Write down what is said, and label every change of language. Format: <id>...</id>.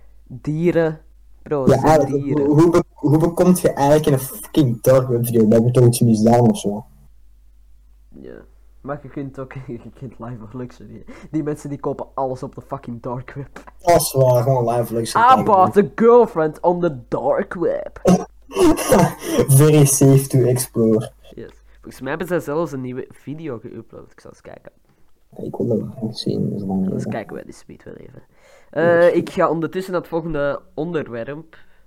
<nl>Dieren... Bro, ja, zijn dieren. Hoe bekomt je eigenlijk in een fucking dark web video? Dat heb je toch iets misdaan ofzo? Ja. Maar je kunt</nl> <en>live of luxury.</en> <nl>Die mensen die kopen alles op de fucking dark web. Dat is waar, gewoon</nl> <en>live of luxury. I bought a girlfriend on the dark web. Very safe to explore. Yes.</en> <nl>Volgens mij hebben ze zelfs een nieuwe video geüpload. Ik zal eens kijken. Ik wil dat wel zien. Eens kijken bij de speed wel even. Ik ga ondertussen naar het volgende onderwerp.</nl>